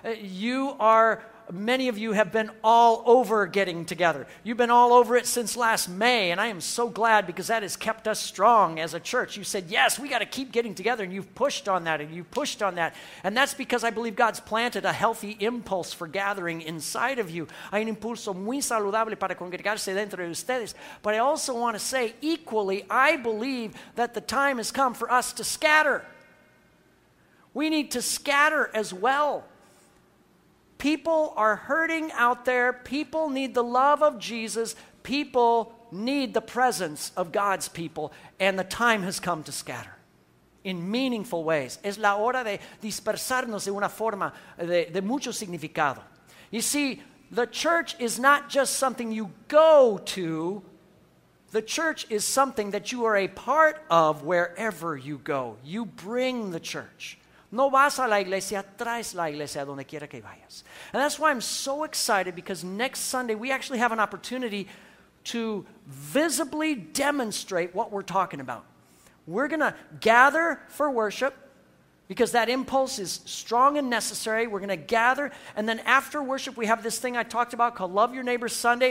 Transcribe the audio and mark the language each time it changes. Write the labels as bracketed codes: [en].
[en] You are, many of you have been all over getting together. You've been all over it since last May, and I am so glad, because that has kept us strong as a church. You said, yes, we got to keep getting together, and you've pushed on that, and you've pushed on that. And that's because I believe God's planted a healthy impulse for gathering inside of you. [es] Hay un impulso muy saludable para congregarse dentro de ustedes. [en] But I also want to say, equally, I believe that the time has come for us to scatter. We need to scatter as well. People are hurting out there. People need the love of Jesus. People need the presence of God's people. And the time has come to scatter in meaningful ways. [es] Es la hora de dispersarnos de una forma de mucho significado. [en] You see, The church is not just something you go to. The church is something that you are a part of wherever you go. You bring the church. [es] No vas a la iglesia, traes la iglesia donde quiera que vayas. [en] And that's why I'm so excited, because next Sunday we actually have an opportunity to visibly demonstrate what we're talking about. We're going to gather for worship because that impulse is strong and necessary. We're going to gather. And then after worship, we have this thing I talked about called Love Your Neighbor Sunday.